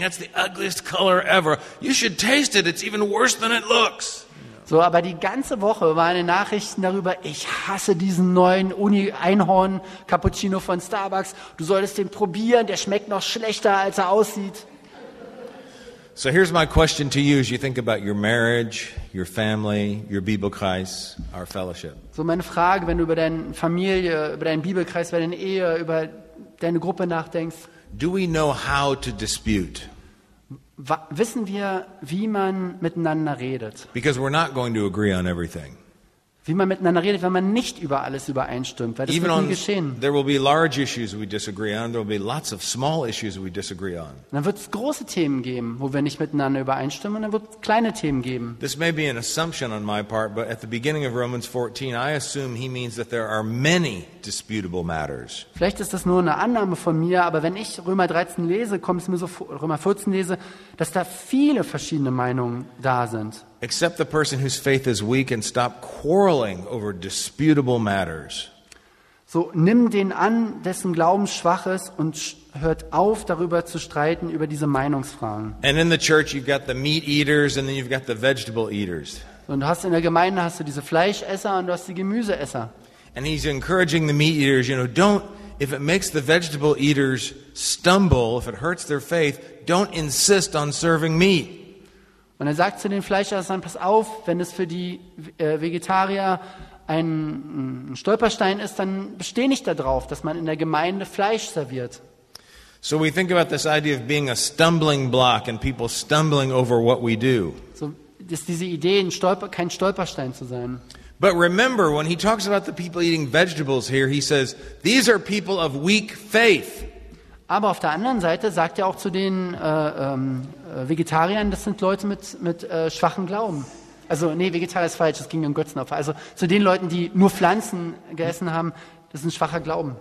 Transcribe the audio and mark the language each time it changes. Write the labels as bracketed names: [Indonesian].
[English] That's the ugliest color ever. You should taste it. It's even worse than it looks. [German] So, aber die ganze Woche waren Nachrichten darüber, ich hasse diesen neuen Uni-Einhorn-Cappuccino von Starbucks. Du solltest den probieren. Der schmeckt noch schlechter, als er aussieht. [English] So here's my question to you as you think about your marriage, your family, your Bibelkreis, our fellowship. [German] So meine Frage, wenn du über deine Familie, über deinen Bibelkreis, über deine Ehe, über deine Gruppe nachdenkst. [English] Do we know how to dispute? [German] Wissen wir, wie man miteinander redet? [English] Because we're not going to agree on everything. [German] Wie man miteinander redet, wenn man nicht über alles übereinstimmt, weil das [English] Even [German] wird nie geschehen. [English] There will be large issues we disagree on, there will be lots of small issues we disagree on. [German] Dann wird es große Themen geben, wo wir nicht miteinander übereinstimmen, und dann wird es kleine Themen geben. [English] This may be an assumption on my part, but at the beginning of Romans 14, I assume he means that there are many disputable matters. [German] Vielleicht ist das nur eine Annahme von mir, aber wenn ich Römer 13 lese, kommt es mir so vor, Römer 14 lese, dass da viele verschiedene Meinungen da sind. [English] Except the person whose faith is weak and stop quarreling over disputable matters. [German] So nimm den an, dessen Glauben schwach ist und hört auf, darüber zu streiten, über diese Meinungsfragen. [English] And in the church you've got the meat eaters and then you've got the vegetable eaters. [German] Und du hast in der Gemeinde hast du diese Fleischesser und du hast die Gemüseesser. [English] And he's encouraging the meat eaters, you know, don't, if it makes the vegetable eaters stumble, if it hurts their faith, don't insist on serving meat. [German] Und er sagt zu den Fleischessern, pass auf, wenn es für die Vegetarier ein Stolperstein ist, dann besteh nicht darauf, dass man in der Gemeinde Fleisch serviert. [English] So we think about this idea of being a stumbling block and people stumbling over what we do. [German] So ist diese Idee, kein Stolperstein zu sein. [English] But remember, when he talks about the people eating vegetables here, he says, these are people of weak faith. [German] Aber auf der anderen Seite sagt er auch zu den Vegetariern, das sind Leute mit schwachem Glauben. Also, nee, Vegetarier ist falsch, es ging um Götzenopfer. Also, zu den Leuten, die nur Pflanzen gegessen haben, das ist ein schwacher Glauben.